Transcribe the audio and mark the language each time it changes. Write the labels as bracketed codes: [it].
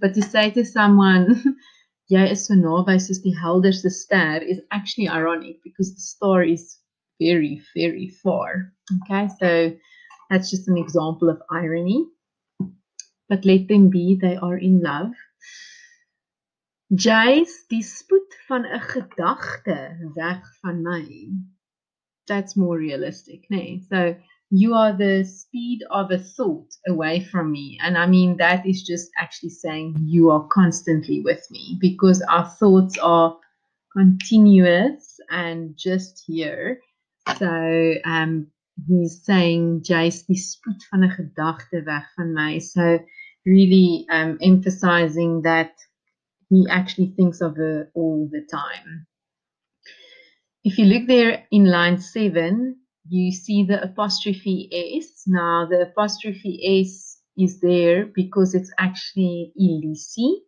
[en] But to say to someone, jy is so naby soos die helderste ster, is actually ironic because the star is very, very far. Okay, so that's just an example of irony. But let them be, they are in love. [af] Jy is die spoed van 'n gedagte weg van my. [en] That's more realistic, nee? So you are the speed of a thought away from me. And I mean, that is just actually saying you are constantly with me because our thoughts are continuous and just here. So he's saying, Jace, die spoed van 'n gedagte weg van my. So really emphasizing that he actually thinks of her all the time. If you look there in line 7, you see the apostrophe S. Now, the apostrophe S is there because it's actually ilisi.